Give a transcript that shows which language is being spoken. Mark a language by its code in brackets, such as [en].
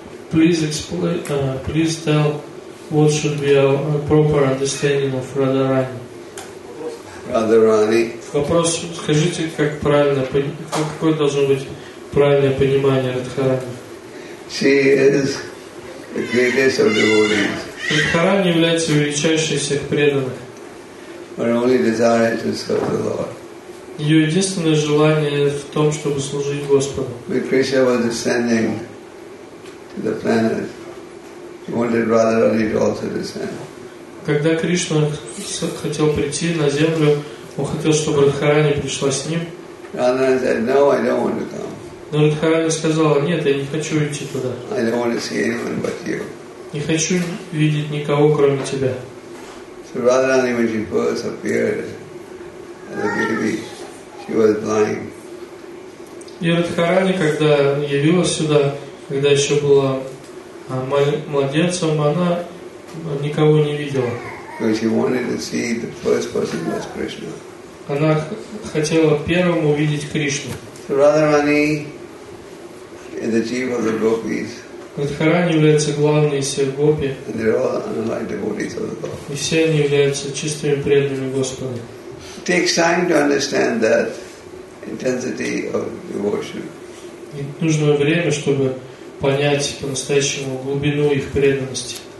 [en] please explain, please tell what should be a proper understanding of Radharani. Radharani. [ru] Вопрос, скажите, как правильно, какое должно быть правильное понимание Радхарани? [en] She is the greatest of devotees. [ru] Радхарани является величайшей всех преданных. [en] Her only desire is to serve the Lord. [ru] Ее единственное желание в том, чтобы служить Господу. [en] When Krishna was descending to the planet, he wanted Radharani to also descend. [ru] Когда Кришна хотел прийти на землю, он хотел, чтобы Радхарани пришла с ним. [en] Radharani said, "No, I don't want to come." [ru] Но Радхарани сказала: "Нет, я не хочу идти туда." [en] I don't want to see anyone but you. [ru] Не хочу видеть никого, кроме тебя. [en] So Radharani, when she first appeared as a baby, she was blind. [ru] И Радхарани, когда явилась сюда, когда еще была младенцем, она никого не видела. [en] Because she wanted to see the first person was Krishna. [ru] Она хотела первым увидеть Кришну. [en] So Radharani is the chief of the gopis. [ru] Радхарани является главной из всех гопи. [en] And they're all unlike devotees of the Lord. [ru] И все они являются чистыми преданными Господа. [en] It takes time to understand that intensity of devotion. [ru] И нужно время, чтобы понять по-настоящему глубину их преданности.